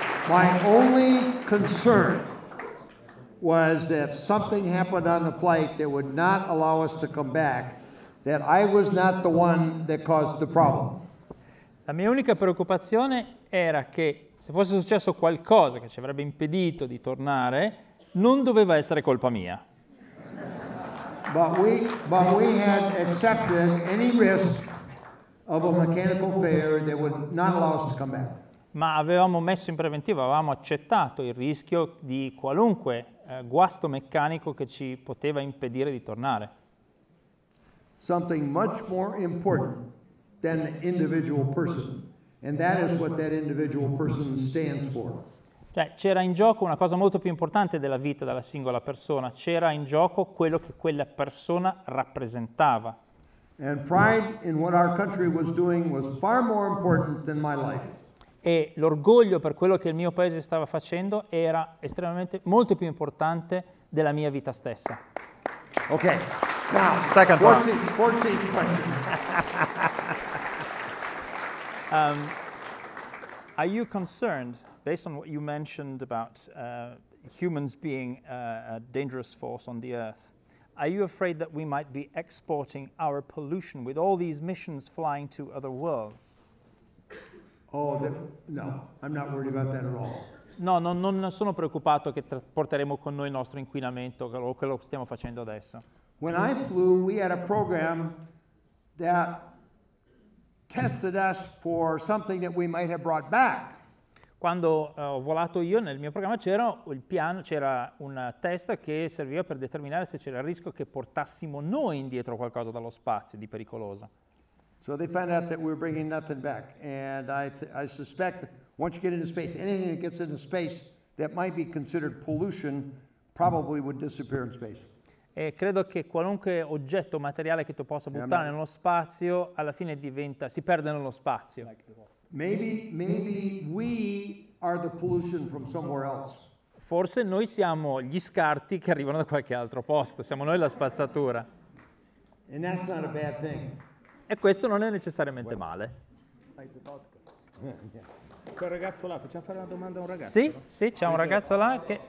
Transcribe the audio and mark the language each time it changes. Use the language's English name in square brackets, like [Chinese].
[English] My only concern was that if something happened on the flight that would not allow us to come back, that I was not the one that caused the problem. [Italian] La mia unica preoccupazione era che se fosse successo qualcosa che ci avrebbe impedito di tornare, non doveva essere colpa mia. [English] But we had accepted any risk of a mechanical failure that would not allow us to come back. [Italian] Ma avevamo messo in preventivo, avevamo accettato il rischio di qualunque guasto meccanico che ci poteva impedire di tornare. [English] Something much more important than the individual person, and that is what that individual person stands for. [Italian] Cioè, c'era in gioco una cosa molto più importante della vita della singola persona, c'era in gioco quello che quella persona rappresentava. [English] And pride in what our country was doing was far more important than my life. [Italian] E l'orgoglio per quello che il mio paese stava facendo era estremamente molto più importante della mia vita stessa. [English] Ok, now, second part. 14 question. Are you concerned, based on what you mentioned about humans being a dangerous force on the Earth, are you afraid that we might be exporting our pollution with all these missions flying to other worlds? Oh, no, I'm not worried about that at all. [Italian] No, non sono preoccupato che porteremo con noi il nostro inquinamento o quello che stiamo facendo adesso. [English] When I flew, we had a program that tested us for something that we might have brought back. [Italian] Quando ho volato io nel mio programma c'era il piano, c'era un test che serviva per determinare se c'era il rischio che portassimo noi indietro qualcosa dallo spazio di pericoloso. [English] So they found out that we were bringing nothing back, and I suspect once you get into space, anything that gets into space that might be considered pollution probably would disappear in space. [Italian] E credo che qualunque oggetto materiale che tu possa buttare nello spazio alla fine diventa si perde nello spazio. [English] Maybe we are the pollution from somewhere else. [Italian] Forse noi siamo gli scarti che arrivano da qualche altro posto. Siamo noi la spazzatura. [English] And that's not a bad thing. [Italian] E questo non è necessariamente male. Quel ragazzo là, facciamo fare una domanda a un ragazzo? Sì, sì, c'è un ragazzo là che...